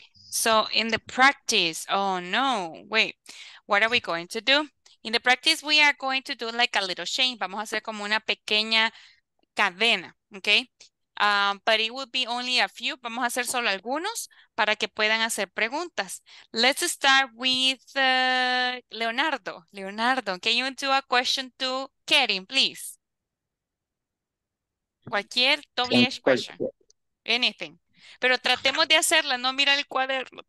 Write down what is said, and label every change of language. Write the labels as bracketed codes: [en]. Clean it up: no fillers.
[en] So, in the practice... Oh, no. Wait. What are we going to do? In the practice, we are going to do like a little chain. [es] Vamos a hacer como una pequeña cadena. [en] Okay? But it will be only a few. [es] Vamos a hacer solo algunos para que puedan hacer preguntas. [en] Let's start with Leonardo. Leonardo, can you do a question to Kerin, please? Cualquier WH question. Anything. [es] Pero tratemos de hacerla, no mirar el cuaderno.